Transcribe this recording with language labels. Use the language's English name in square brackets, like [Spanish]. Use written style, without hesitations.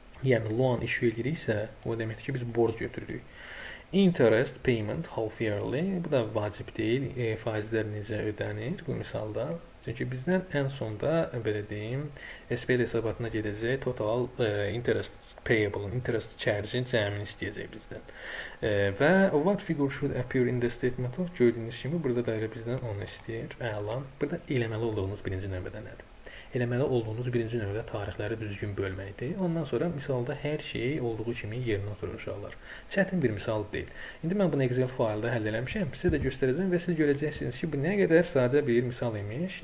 [Azerbaijani] Yəni loan işi eləyiriksə, o deməkdir ki biz borc götürürük. [English] Interest payment half yearly. [Azerbaijani] Bu da vacib deyil. Faizlər necə ödənir bu misalda? Çünki bizdən ən sonda belə deyim, SPL hesabatına gedəcək total interest payable, interest charge-in cəmini istəyəcək bizdən. [English] Və what figure should appear in the statement of? [Azerbaijani] Gördüyünüz kimi burada da elə bizdən onu istəyir. Əla. Burada eləməli olduğunuz birinci növbədə nədir? eləməli olduğunuz birinci növbədə tarixləri düzgün bölməkdir. Ondan sonra misalda hər şey olduğu kimi yerinə oturur uşaqlar. Çətin bir misal deyil. İndi mən bunu Excel faylda həll eləmişəm. Sizə də göstərəcəm və siz görəcəksiniz ki, bu nə qədər sadə bir misal imiş.